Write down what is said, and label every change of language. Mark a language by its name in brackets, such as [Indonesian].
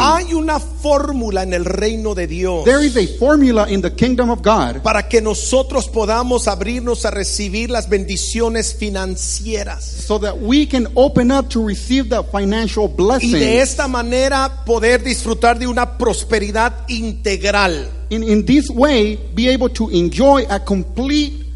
[Spanish] Hay una fórmula en el reino de Dios. [English] There is a formula in the kingdom of God. [Spanish] Para que nosotros podamos abrirnos a recibir las bendiciones financieras. [English] So that we can open up to receive the financial blessings. [Spanish] Y de esta manera poder disfrutar de una prosperidad integral. [English] In this way, be able to enjoy a complete,